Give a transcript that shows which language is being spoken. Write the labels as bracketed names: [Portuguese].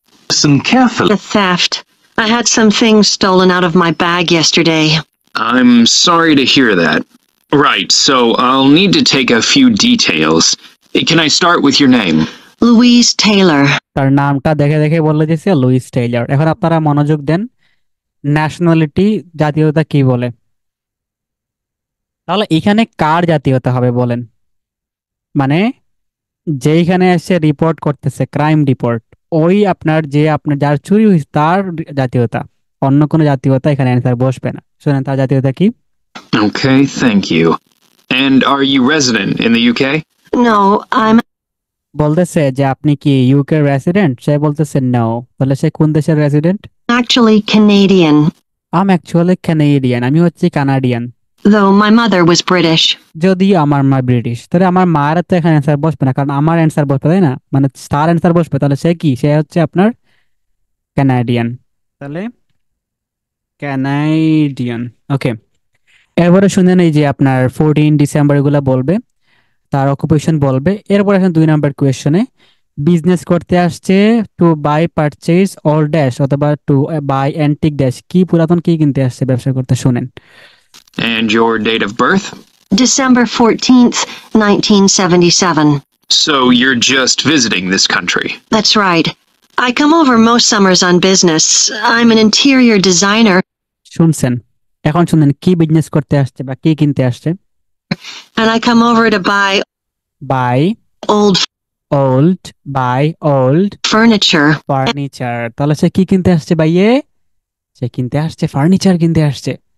[English] Listen carefully. The theft. I had some things stolen out of my bag yesterday. I'm sorry to hear that. Right, so I'll need to take a few details. Can I start with your name? Louise Taylor. [Bangla] তার নামটা দেখে দেখে বলে দিছে Luis Taylor. এখন আপনারা মনোযোগ দেন, nationality জাতীয়তা কি বলে? তাহলে এখানে কার জাতীয়তা হবে বলেন? মানে যেইখানে এসে রিপোর্ট করতেছে ক্রাইম রিপোর্ট, ওই আপনার যে আপনার যার চুরি হয়েছে তার জাতীয়তা, অন্য কোনো জাতীয়তা এখানে অ্যান্সার বসবে না। শুনেন তার জাতীয়তা কি? [English] Okay, thank you. And are you resident in the UK? No, I'm... [Bangla] বলতেছে যে আপনি কি ইউকের রেসিডেন্ট, সে বলতেছে নো। তাহলে সে কোন দেশের resident? [English] Actually, Canadian. I'm actually Canadian. [Bangla] আমি হচ্ছি Canadian. [English] Though my mother was British. [Bangla] যদি আমার মা ব্রিটিশ, তাহলে আমার মায়ের তো এখানে অ্যান্সার বসবে না, কারণ আমার অ্যান্সার বসবে, তাই না? মানে তার অ্যান্সার বসবে, তাহলে সে কি, সে হচ্ছে আপনার কানাডিয়ান। তাহলে কানাডিয়ান, ওকে। এরপরে শুনে নেই যে আপনার 14 ডিসেম্বর এগুলো বলবে, তার অকুপেশন বলবে। এরপর আসেন 2 নম্বর কোয়েশনে, বিজনেস করতে আসছে, [English] to buy purchase all dash [Bangla] অথবা [English] to buy antique dash, [Bangla] কি পুরাতন কি কিনতে আসছে ব্যবসা করতে, শুনেন। [English] And your date of birth? December 14th, 1977. So you're just visiting this country? That's right. I come over most summers on business. I'm an interior designer. [Bangla] শুনছেন, এখন শুনেন কি বিজনেস করতে আসছে বা কি কিনতে আসছে। [English] And I come over to buy buy old old buy old furniture. [Bangla] Furniture. তাহলে সে কি কিনতে আসছে ভাইয়ে? সে কিনতে আসছে ফার্নিচার কিনতে আসছে।